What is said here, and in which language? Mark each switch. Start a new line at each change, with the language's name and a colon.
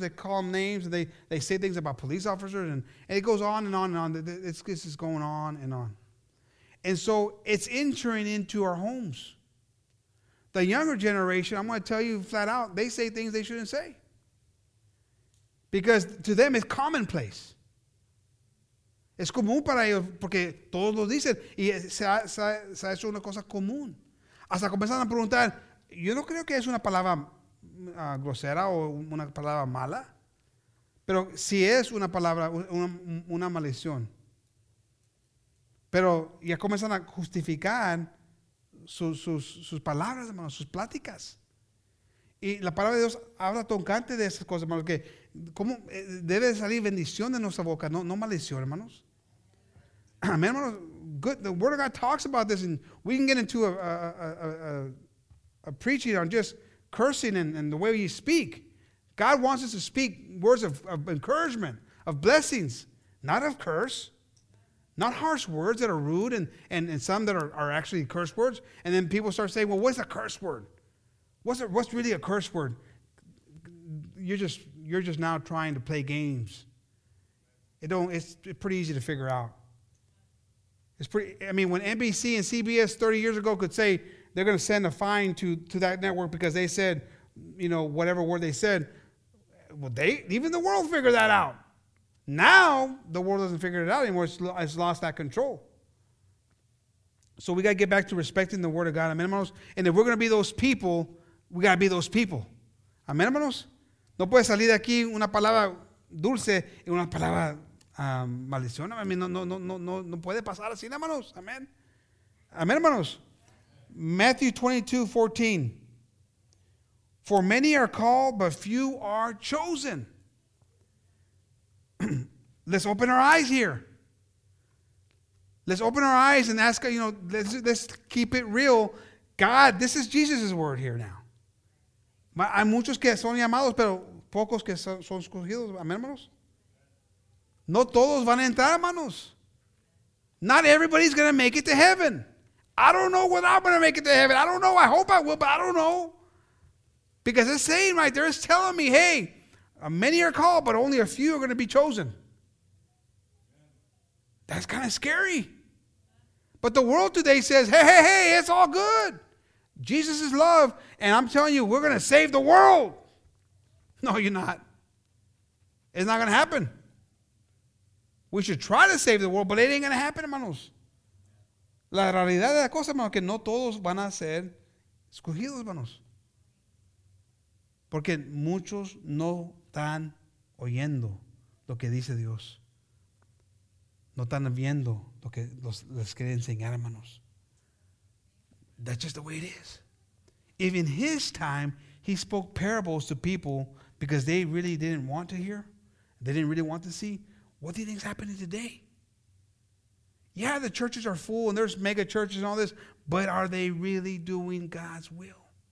English: They call them names, and they say things about police officers, and it goes on and on and on. It's just going on and on. And so it's entering into our homes. The younger generation, I'm going to tell you flat out, they say things they shouldn't say. Because to them, it's commonplace.
Spanish: Es común para ellos, porque todos lo dicen, y se ha hecho una cosa común. Hasta comenzan a preguntar, yo no creo que es una palabra grosera o una palabra mala, pero si es una palabra, una maldición. Pero ya comenzan a justificar sus palabras, hermanos, sus pláticas. Y la palabra de Dios habla toncante de esas cosas, hermanos, que cómo debe salir bendición de nuestra boca, no maldición, hermanos. Amén, hermanos.
English: Good. The Word of God talks about this, and we can get into a preaching on just cursing and the way you speak. God wants us to speak words of encouragement, of blessings, not of curse. Not harsh words that are rude and some that are actually curse words. And then people start saying, well, what's a curse word? What's really a curse word? You're just now trying to play games. It's pretty easy to figure out. When NBC and CBS 30 years ago could say they're going to send a fine to that network because they said, you know, whatever word they said, well, even the world figured that out. Now, the world doesn't figure it out anymore. It's lost that control. So we got to get back to respecting the Word of God. Amen, hermanos. And if we're going to be those people, we got to be those people. Amen, hermanos.
Spanish: No puede salir de aquí una palabra dulce y una palabra maldición.
English: I mean,
Spanish: no puede pasar así, hermanos.
English: Amen. Amen, hermanos. Matthew 22:14. For many are called, but few are chosen. Let's open our eyes here. Let's open our eyes and ask, you know, let's keep it real. God, this is Jesus' word here now.
Spanish: Hay muchos que son llamados, pero pocos que son escogidos. Amén, hermanos. No todos van a entrar, hermanos.
English: Not everybody's going to make it to heaven. I don't know whether I'm going to make it to heaven. I don't know. I hope I will, but I don't know. Because it's saying right there, it's telling me, hey, many are called, but only a few are going to be chosen. That's kind of scary. But the world today says, hey, hey, hey, it's all good. Jesus is love, and I'm telling you, we're going to save the world. No, you're not. It's not going to happen. We should try to save the world, but it ain't going to happen, hermanos.
Spanish: La realidad de la cosa, hermanos, que no todos van a ser escogidos, hermanos. Porque muchos no están oyendo lo que dice Dios. No están viendo lo que les quiere enseñar, hermanos.
English: That's just the way it is. If in his time, he spoke parables to people because they really didn't want to hear, they didn't really want to see, what do you think is happening today? Yeah, the churches are full and there's mega churches and all this, but are they really doing God's will?